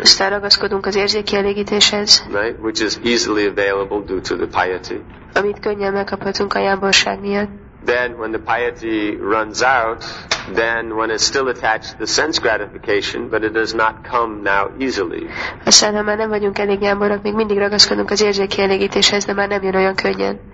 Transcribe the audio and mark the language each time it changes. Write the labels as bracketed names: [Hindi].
[Hungarian] Aztán ragaszkodunk az érzékkielégítéshez. [English] Right, which is easily available due to the piety. [Hungarian] Amit könnyen megkaphatunk a jámborság miatt. [English] Then when the piety runs out, then one is still attached to the sense gratification, but it does not come now easily. [Hungarian] Aztán ha már nem vagyunk elég jámborok, még mindig ragaszkodunk az érzékkielégítéshez, de már nem jön olyan könnyen.